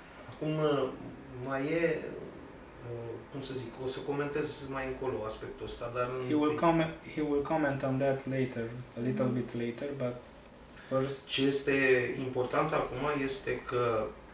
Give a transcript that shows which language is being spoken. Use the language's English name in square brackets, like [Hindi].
[Romanian] Acum mai e, cum să zic, o să comentez mai încolo aspectul ăsta, dar... [English] He will comment on that later, a little bit later, but first... [Romanian] Ce este important acum este că...